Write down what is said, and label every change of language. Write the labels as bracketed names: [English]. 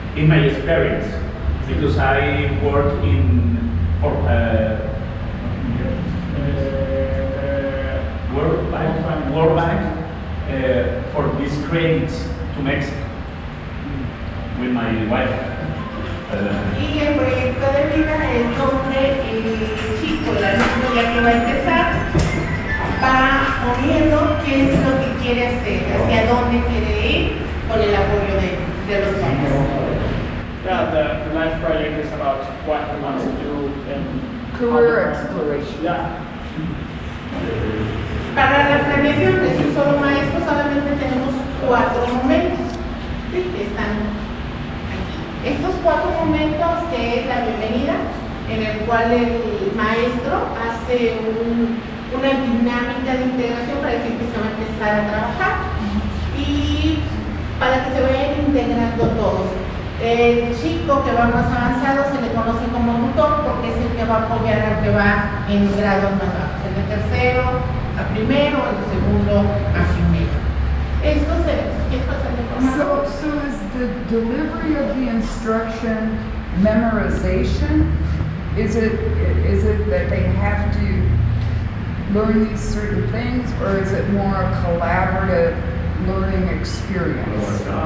[English] In my experience, because I work in World Bank for these credits to Mexico with my wife. [Spanish] Y el proyecto de vida es donde el chico, el alumno ya que va a empezar, va poniendo qué es lo que quiere hacer, hacia dónde quiere ir con el apoyo de los padres. [English] Yeah, the life project is about what he wants to do and career exploration. Yeah. [Spanish] Para la planeación de su solo maestro solamente tenemos 4 momentos. Sí, están. Estos 4 momentos, que es la bienvenida, en el cual el maestro hace una dinámica de integración para decir que se va a empezar a trabajar y para que se vayan integrando todos. El chico que va más avanzado se le conoce como tutor porque es el que va a apoyar al que va en grados más bajos, el de tercero a primero, el de segundo a primero. Esto se [English] So is the delivery of the instruction memorization? Is it that they have to learn these certain things, or is it more a collaborative learning experience?